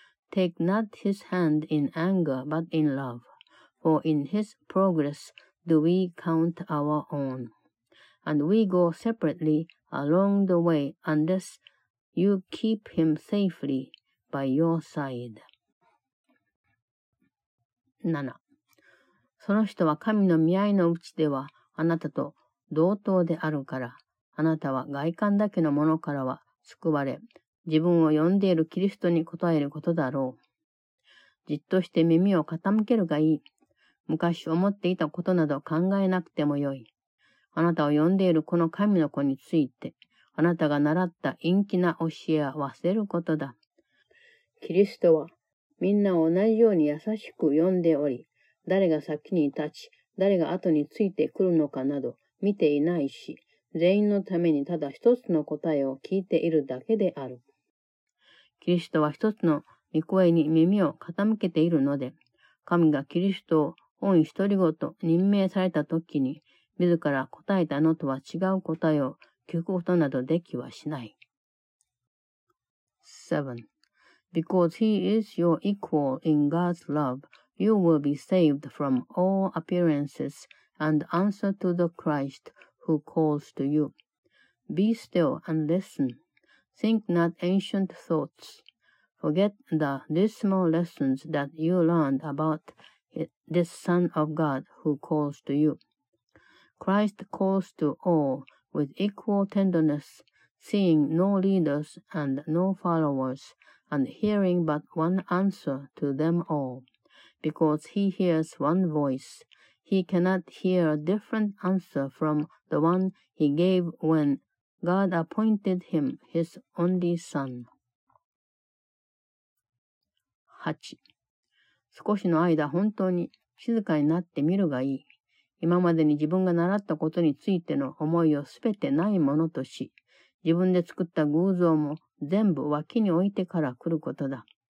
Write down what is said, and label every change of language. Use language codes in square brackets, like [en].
[en] Take not his hand in anger, but in love, for in his progress do we count our own. And we go separately along the way unless you keep him safely by your side. 7. [ja] その人は神の見合いのうちではあなたと同等であるから、あなたは外観だけのものからは救われ、自分を呼んでいるキリストに答えることだろう。じっとして耳を傾けるがいい。昔思っていたことなど考えなくてもよい。あなたを呼んでいるこの神の子について、あなたが習った陰気な教えは忘れることだ。キリストはみんなを同じように優しく呼んでおり、誰が先に立ち、誰が後についてくるのかなど、見ていないし、全員のためにただ一つの答えを聞いているだけである。キリストは一つの御声に耳を傾けているので、神がキリストを御一人ごと任命されたときに、自ら答えたのとは違う答えを聞くことなどできはしない。 7. [en] Because he is your equal in God's love, you will be saved from all appearances. And answer to the Christ who calls to you. Be still and listen. Think not ancient thoughts. Forget the dismal lessons that you learned about this Son of God who calls to you. Christ calls to all with equal tenderness, seeing no leaders and no followers, and hearing but one answer to them all, because he hears one voice. He cannot hear a different answer from the one he gave when God appointed him his only son. 8. [ja] 少しの間本当に静かになってみるがいい。今までに自分が習ったことについての思いをすべてないものとし、自分で作った偶像も全部脇に置いてから来ることだ。